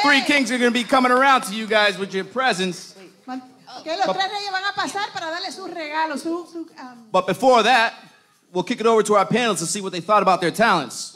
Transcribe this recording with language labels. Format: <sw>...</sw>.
<en>Three Kings are going to be coming around to you guys with your presents.</en> <es>Los tres reyes van a pasar para darle sus regalos.</es> <en>But before that, we'll kick it over to our panels to see what they thought about their talents.</en>